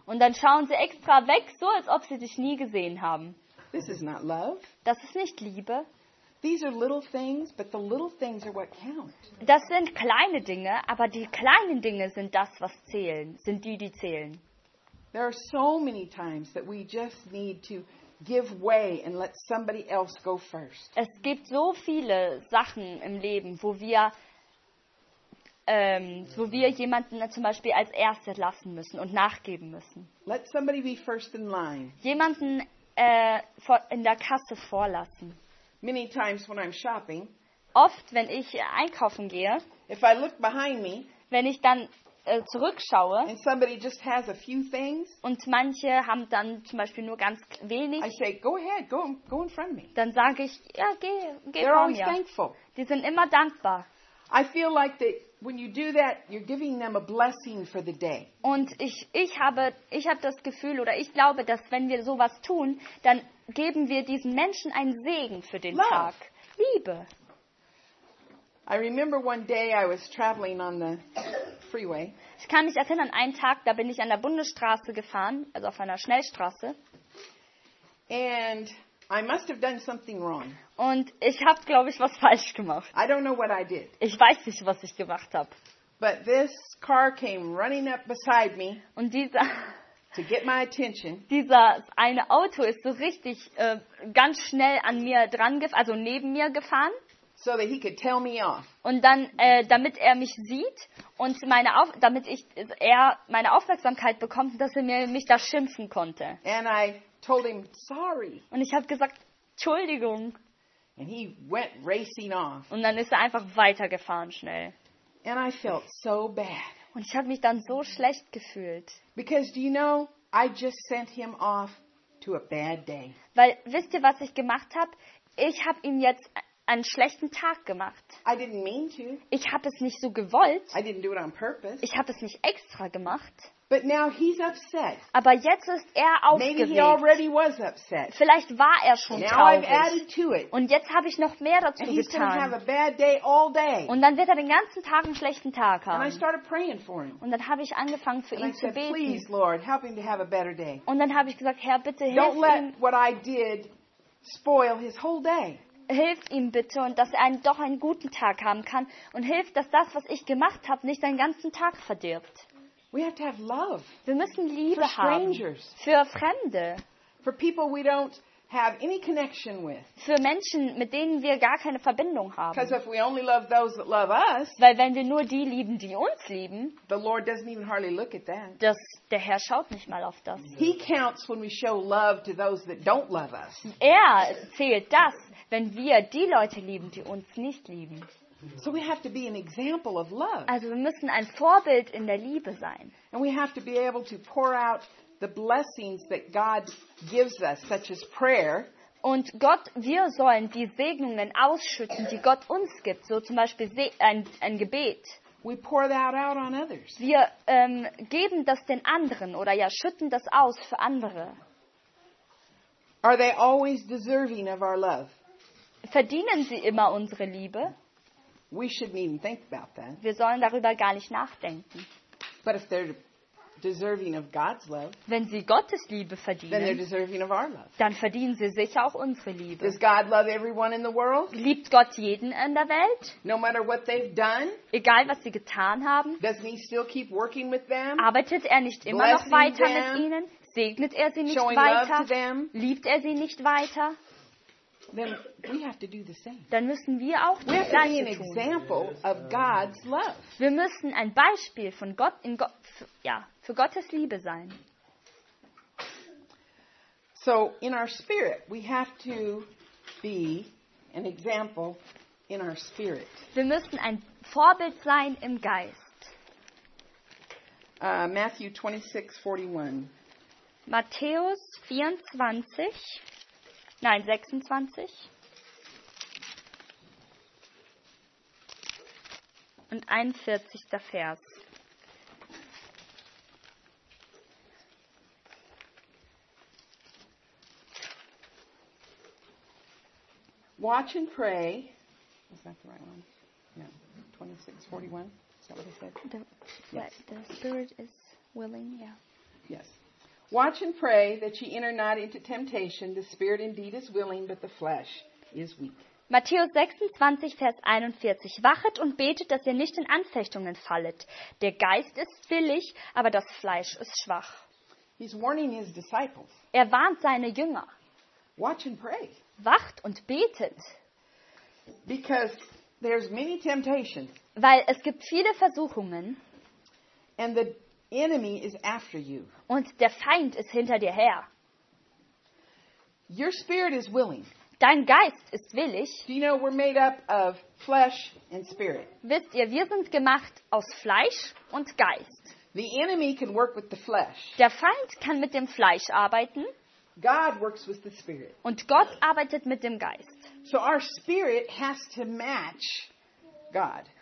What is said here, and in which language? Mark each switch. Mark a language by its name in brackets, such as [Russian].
[German] Und dann schauen sie extra weg, so als ob sie dich nie gesehen haben. [English] This is not love. [German] Das ist nicht Liebe. [English] These are little things, but the little things are what count. [German] Das sind kleine Dinge, aber die kleinen Dinge sind das, was zählen, sind die, die zählen. [English] There are so many times that we just need to give way and let somebody else go first. [German] Es gibt so viele Sachen im Leben, wo wir jemanden zum Beispiel als Erste lassen müssen und nachgeben müssen. [English] Let somebody be first in line. [German] Jemanden in der Kasse vorlassen. [English] Many times when I'm shopping, [German] oft, wenn ich einkaufen gehe, [English] if I look behind me, [German] wenn ich dann zurückschaue, [English] and somebody just has a few things, [German] und manche haben dann zum Beispiel nur ganz wenig, [English] I say, go ahead, go in front of me. [German] Dann sage ich, ja, geh vor mir. [English] Thankful. [German] Die sind immer dankbar. [English] I feel like that when you do that, you're giving them a blessing for the day. [German] Und ich habe das Gefühl, oder ich glaube, dass wenn wir sowas tun, dann geben wir diesen Menschen einen Segen für den Tag. Liebe. [English] I remember one day I was traveling on the freeway. [German] Ich kann mich erinnern, einen Tag, da bin ich an der Bundesstraße gefahren, also auf einer Schnellstraße. [English] And I must have done something wrong. [German] Und ich habe, glaube ich, was falsch gemacht. [English] I don't know what I did. [German] Ich weiß nicht, was ich gemacht habe. [English] But this car came running up beside me. [German] Und dieser [English] to get my attention. [German] Dieses eine Auto ist so richtig ganz schnell an mir dran, also neben mir gefahren. [English] So that he could tell me off. [German] Und dann, damit er mich sieht und meine Aufmerksamkeit bekommt, dass er mich da schimpfen konnte. [English] And I told him sorry. [German] Und ich habe gesagt, Entschuldigung. [English] And he went racing off. [German] Und dann ist er einfach weitergefahren schnell. [English] And I felt so bad. [German] Und ich habe mich dann so schlecht gefühlt. [English] Because do you know, I just sent him off to a bad day. [German] Weil wisst ihr, was ich gemacht habe? Ich habe ihm jetzt einen schlechten Tag gemacht. [English] I didn't mean to. [German] Ich habe es nicht so gewollt. [English] I didn't do it on purpose. [German] Ich habe es nicht extra gemacht. [English] But now he's upset. [German] Aber jetzt ist er aufgeregt. [English] Maybe he already was upset. [German] Vielleicht war er schon [English] now [German] traurig. [English] I've added to it. [German] Und jetzt habe ich noch mehr dazu [English] and He's gonna have a bad day all day. [German] Und dann wird er den ganzen Tag einen schlechten Tag haben. [English] And I started praying for him. [German] Und dann habe ich angefangen für [English] and [German] ihn [English] I [German] zu [English] said, [German] beten. [English] Please, Lord, help him to have a better day. [German] Und dann habe ich gesagt, Herr, bitte hilf [English] don't let [German] ihm. [English] What I did spoil his whole day. [German] Hilf ihm bitte und dass er doch einen guten Tag haben kann und hilf, dass das, was ich gemacht habe, nicht seinen ganzen Tag verdirbt. [English] We have to have love. [German] Wir müssen Liebe [English] for strangers. [German] Haben für Fremde. [English] For people we don't have any connection with. [German] Für Menschen, mit denen wir gar keine Verbindung haben. [English] Because if we only love those that love us, [German] weil wenn wir nur die lieben, die uns lieben, [English] the Lord doesn't even hardly look at that. [German] Das, der Herr schaut nicht mal auf das. [English] He counts when we show love to those that don't love us. [German] Er zählt das, wenn wir die Leute lieben, die uns nicht lieben. [English] So we have to be an example of love. [German] Also wir müssen ein Vorbild in der Liebe sein. [English] And we have to be able to pour out the blessings that God gives us, such as prayer. [German] Und Gott, wir sollen die Segnungen ausschütten, die Gott uns gibt, so zum Beispiel ein Gebet. [English] We pour that out on others. [German] Wir geben das den anderen oder ja schütten das aus für andere. [English] Are they always deserving of our love? [German] Verdienen sie immer unsere Liebe? [English] We shouldn't even think about that. [German] Wir sollen darüber gar nicht nachdenken. [English] But if they're deserving of God's love, [German] wenn sie Gottes Liebe verdienen, [English] then they're deserving of our love. [German] Dann verdienen sie sicher auch unsere Liebe. [English] Does God love everyone in the world? [German] Liebt Gott jeden in der Welt? [English] No matter what they've done, [German] egal was sie getan haben, [English] doesn't he still keep working with them? [German] Arbeitet er nicht immer noch weiter mit ihnen? Segnet er sie nicht weiter? [English] Love to them? [German] Liebt er sie nicht weiter? [English] Then we have to do the same. [German] Dann müssen wir auch das Gleiche tun. [English] We have to be an example of God's love. [German] Wir müssen ein Beispiel von Gott in Gott, ja, für Gottes Liebe sein. [English] So in our spirit we have to be an example in our spirit. [German] Wir müssen ein Vorbild sein im Geist. [English] Matthew 26:41. [German] Matthäus 24. Nein, 26 und 41. Vers. [English] Watch and pray. Is that the right one? No. 26:41. Is that what he said? The, yes. The Spirit is willing, yeah. Yes. Watch and pray that ye enter not into temptation. The spirit indeed is willing, but the flesh is weak. [German] Matthäus 26, Vers 41. Wachet und betet, dass ihr nicht in Anfechtungen fallet. Der Geist ist willig, aber das Fleisch ist schwach. [English] He's warning his disciples. [German] Er warnt seine Jünger. [English] Watch and pray. [German] Wacht und betet. [English] Because there's many temptations. [German] Weil es gibt viele Versuchungen. [English] And the enemy is after you. [German] Und der Feind ist hinter dir her. [English] Your spirit is willing. [German] Dein Geist ist willig. [English] Do you know we're made up of flesh and spirit? [German] Wisst ihr, wir sind gemacht aus Fleisch und Geist. [English] The enemy can work with the flesh. [German] Der Feind kann mit dem Fleisch arbeiten. [English] God works with the spirit. [German] Und Gott arbeitet mit dem Geist. [English] So our spirit has to match God.